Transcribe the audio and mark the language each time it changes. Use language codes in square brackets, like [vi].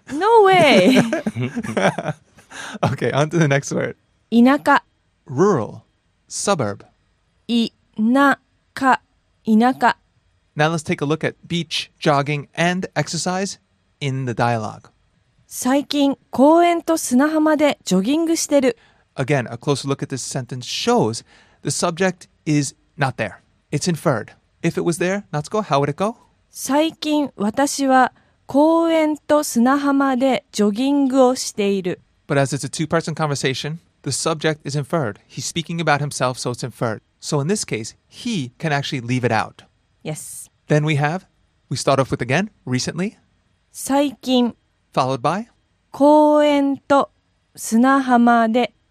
[en] No way! Okay, on to the next word. [ja] 田舎. [en] Rural. Suburb. [ja] 田舎.田舎. [en] Now let's take a look at beach, jogging, and exercise in the dialogue. [ja] 最近公園と砂浜でジョギングしてる. [en] Again, a closer look at this sentence shows the subject is not there. It's inferred. If it was there, Natsuko, how would it go? [ja] 最近私は公園と砂浜でジョギングをしている. [en] But as it's a two-person conversation, the subject is inferred. He's speaking about himself, so it's inferred. So in this case, he can actually leave it out. Yes. Then we start off with again, recently. [ja] 最近. [en] Followed by? [ja] 公園と砂浜で.